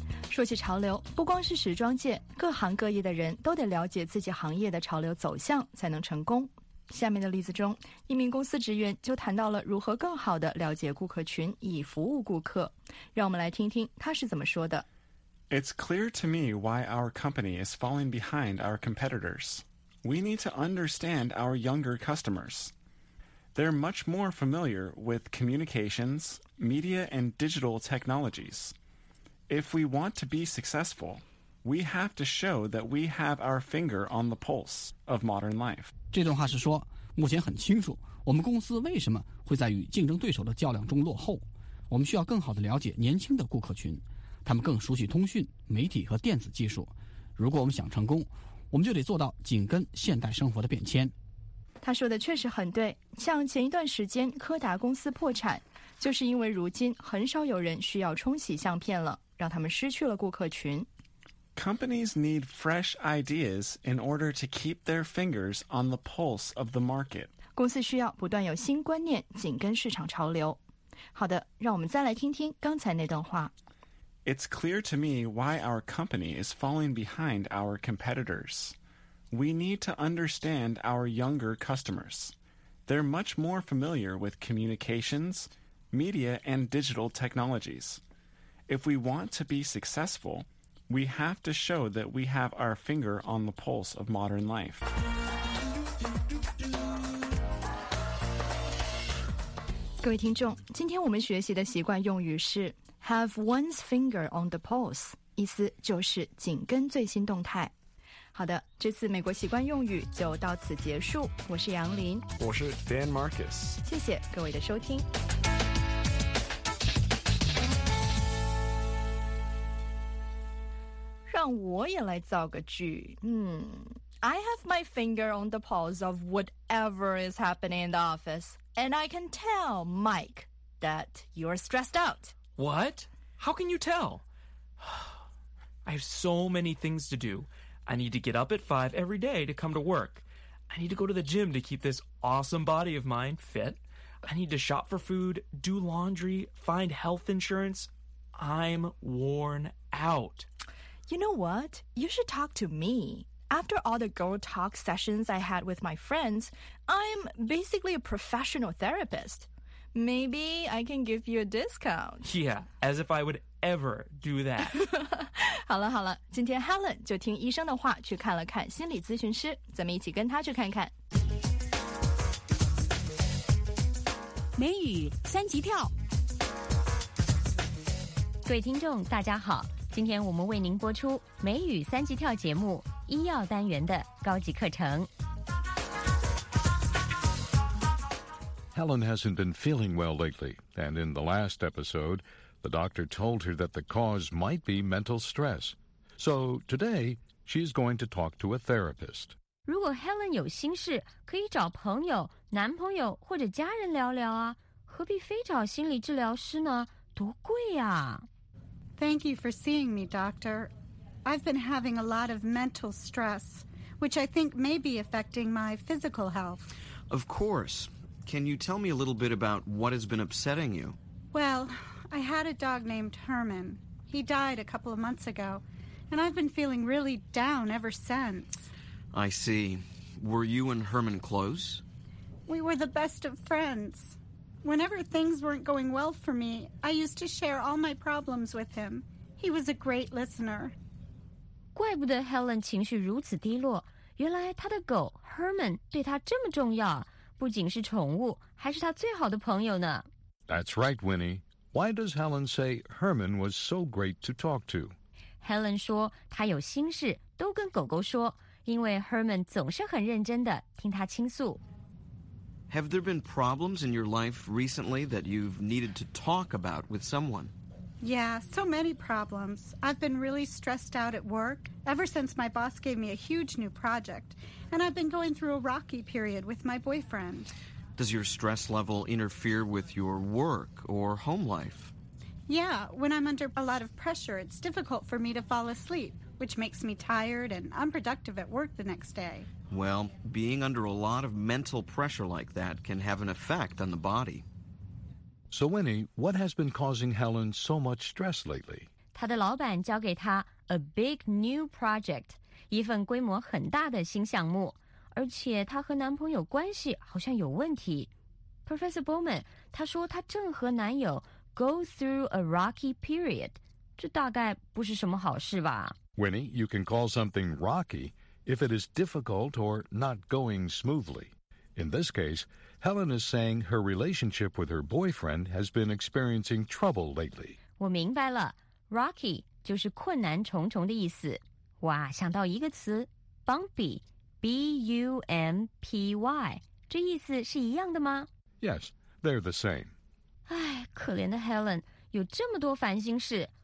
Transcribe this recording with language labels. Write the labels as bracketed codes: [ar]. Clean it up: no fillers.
[zh] 说起潮流，不光是时装界，各行各业的人都得了解自己行业的潮流走向才能成功。下面的例子中，一名公司职员就谈到了如何更好地了解顾客群以服务顾客。让我们来听听他是怎么说的。 [en] It's clear to me why our company is falling behind our competitors. We need to understand our younger customers. They're much more familiar with communications, media, and digital technologies. If we want to be successful, we have to show that we have our finger on the pulse of modern life. [zh] 这段话是说，目前很清楚，我们公司为什么会在与竞争对手的较量中落后。我们需要更好地了解年轻的顾客群。他们更熟悉通讯、媒体和电子技术。如果我们想成功，我们就得做到紧跟现代生活的变迁。他说的确实很对，像前一段时间柯达公司破产，就是因为如今很少有人需要冲洗相片了，让他们失去了顾客群。 [en] Companies need fresh ideas in order to keep their fingers on the pulse of the market. [zh] 公司需要不断有新观念，紧跟市场潮流。好的，让我们再来听听刚才那段话。 [en] It's clear to me why our company is falling behind our competitors. We need to understand our younger customers. They're much more familiar with communications, media, and digital technologies. If we want to be successful, we have to show that we have our finger on the pulse of modern life. [zh] 各位听众，今天我们学习的习惯用语是 [en] Have one's finger on the pulse, [zh] 意思就是紧跟最新动态。好的，这次美国习惯用语就到此结束。我是杨林。我是 Dan Marcus。谢谢各位的收听。让我也来造个句。 [en] I have my finger on the pulse of whatever is happening in the office, and I can tell, Mike, that you're stressed out. What? How can you tell? I have so many things to do. I need to get up at 5 every day to come to work. I need to go to the gym to keep this awesome body of mine fit. I need to shop for food, do laundry, find health insurance. I'm worn out. You know what? You should talk to me. After all the girl talk sessions I had with my friends, I'm basically a professional therapist. Maybe I can give you a discount. Yeah, as if I would ever do that. [zh] 好了好了，今天 Helen 就听医生的话去看了看心理咨询师，咱们一起跟他去看看。美语三级跳。各位听众，大家好，今天我们为您播出美语三级跳节目医药单元的高级课程。 [en] Helen hasn't been feeling well lately, and in the last episode, the doctor told her that the cause might be mental stress. So today, she is going to talk to a therapist. [zh] 如果 Helen 有心事，可以找朋友、男朋友或者家人聊聊啊，何必非找心理治疗师呢？多贵呀！ [en] Thank you for seeing me, doctor. I've been having a lot of mental stress, which I think may be affecting my physical health. Of course. Can you tell me a little bit about what has been upsetting you? Well, I had a dog named Herman. He died a couple of months ago, and I've been feeling really down ever since. I see. Were you and Herman close? We were the best of friends. Whenever things weren't going well for me, I used to share all my problems with him. He was a great listener. [zh] 怪不得 Helen 情绪如此低落，原来她的狗 Herman 对她这么重要，不仅是宠物，还是她最好的朋友呢。 [en] That's right, Winnie. Why does Helen say Herman was so great to talk to? [zh] Helen 说她有心事都跟狗狗说，因为 Herman 总是很认真地听她倾诉。 [en] Have there been problems in your life recently that you've needed to talk about with someone? Yeah, so many problems. I've been really stressed out at work ever since my boss gave me a huge new project, and I've been going through a rocky period with my boyfriend. Does your stress level interfere with your work or home life? Yeah, when I'm under a lot of pressure, it's difficult for me to fall asleep, which makes me tired and unproductive at work the next day. Well, being under a lot of mental pressure like that can have an effect on the body. So Winnie, what has been causing Helen so much stress lately? [zh] 她的老板交给她 [en] a big new project, [zh] 一份规模很大的新项目。而且她和男朋友关系好像有问题。Professor Bowman, 她说她正和男友 [en] go through a rocky period, [zh] 这大概不是什么好事吧。 [en] Winnie, you can call something rocky if it is difficult or not going smoothly. In this case, Helen is saying her relationship with her boyfriend has been experiencing trouble lately. [zh] 我明白了 ,rocky 就是困难重重的意思。哇，想到一个词 ,bumpy, B-U-M-P-Y, 这意思是一样的吗？ [en] Yes, they're the same. [zh] 唉，可怜的 Helen, 有这么多烦心事。